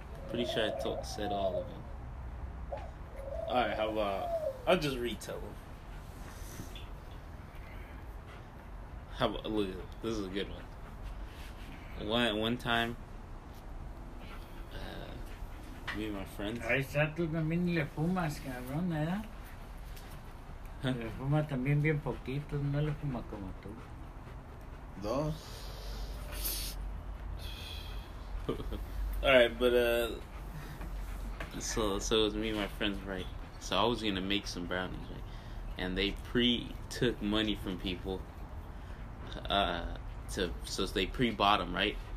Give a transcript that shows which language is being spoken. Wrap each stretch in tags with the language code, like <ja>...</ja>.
<en>Pretty sure I said all of them. Alright, how about, I'll just retell them. How about, look, this is a good one. One time, me and my friends.</en> <es>Ahí está, tú también le fumas, cabrón, ¿verdad? Le fuma también bien poquito, no le fuma como tú. Dos.</es> <en>All right, but so it was me and my friends, right? So I was gonna make some brownies, right? And they pre-took money from people, they pre-bought them, right?</en>